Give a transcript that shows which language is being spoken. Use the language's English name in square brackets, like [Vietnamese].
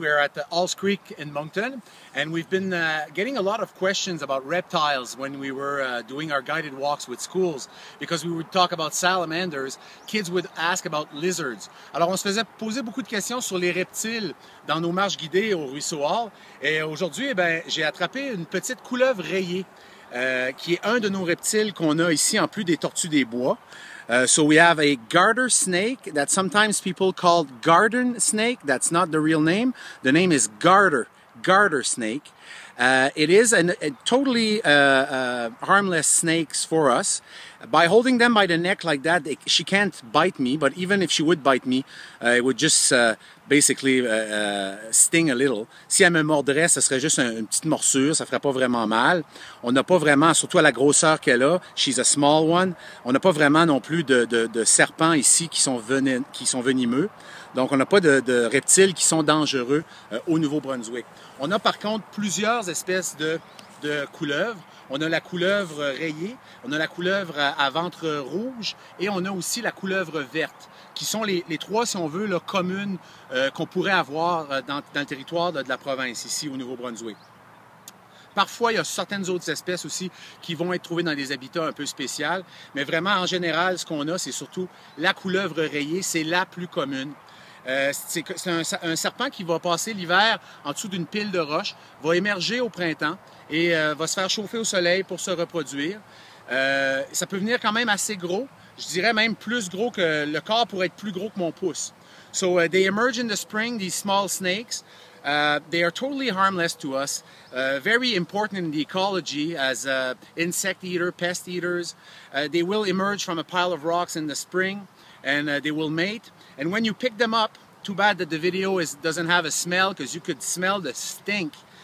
[English] We're at the Halls Creek in Moncton, and we've been getting a lot of questions about reptiles when we were doing our guided walks with schools, because we would talk about salamanders, kids would ask about lizards. [French] Alors, on se faisait poser beaucoup de questions sur les reptiles dans nos marches guidées au Ruisseau Hall, et aujourd'hui, eh bien, j'ai attrapé une petite couleuvre rayée, qui est un de nos reptiles qu'on a ici en plus des tortues des bois. [English] So we have a garter snake that sometimes people call garden snake. That's not the real name. The name is garter snake. It is a totally harmless snake for us. By holding them by the neck like that, she can't bite me. But even if she would bite me, it would just sting a little. [French] Si elle me mordrait, ce serait juste une petite morsure. Ça ferait pas vraiment mal. On n'a pas vraiment, surtout à la grosseur qu'elle a, [English] she's a small one. [French] On n'a pas vraiment non plus de serpents ici qui sont venimeux. Donc, on n'a pas de reptiles qui sont dangereux au Nouveau-Brunswick. On a par contre plusieurs espèces de couleuvres. On a la couleuvre rayée, on a la couleuvre à ventre rouge et on a aussi la couleuvre verte, qui sont les trois, si on veut, là, communes qu'on pourrait avoir dans le territoire de la province, ici au Nouveau-Brunswick. Parfois, il y a certaines autres espèces aussi qui vont être trouvées dans des habitats un peu spéciaux, mais vraiment, en général, ce qu'on a, c'est surtout la couleuvre rayée, c'est la plus commune. C'est un serpent qui va passer l'hiver en dessous d'une pile de roches, va émerger au printemps et va se faire chauffer au soleil pour se reproduire. Ça peut venir quand même assez gros, je dirais même plus gros que le corps pourrait être plus gros que mon pouce. [English] So they emerge in the spring, these small snakes. They are totally harmless to us, very important in the ecology as insect eaters, pest eaters. They will emerge from a pile of rocks in the spring and they will mate. And when you pick them up, too bad that the video doesn't have a smell, because you could smell the stink.